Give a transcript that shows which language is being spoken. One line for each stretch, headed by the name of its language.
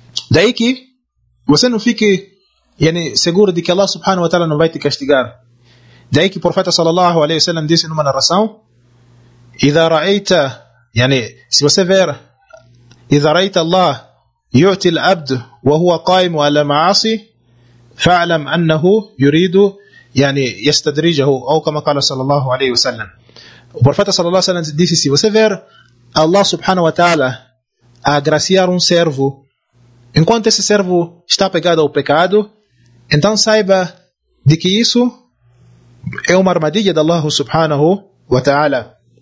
Portuguese: Daí que você não fique yani, seguro de que Allah subhanahu wa ta'ala não vai te castigar. Daí que o profeta sallallahu alaihi wa sallam disse numa narração,
Arabic: إذا رأيت, yani,
Portuguese: se você ver,
Arabic: إذا رأيت Allah يعطي العبد وهو قائم على معاصي, فعلم أنه يريد يعني يستدرجه أو كما قال صلى الله عليه وسلم. وبرفته صلى الله عليه وسلم
Portuguese: disse se você ver Allah سبحانه وتعالى agraciar servo enquanto esse servo está pegado ao pecado, então saiba de que isso é uma armadilha de Allah سبحانه وتعالى.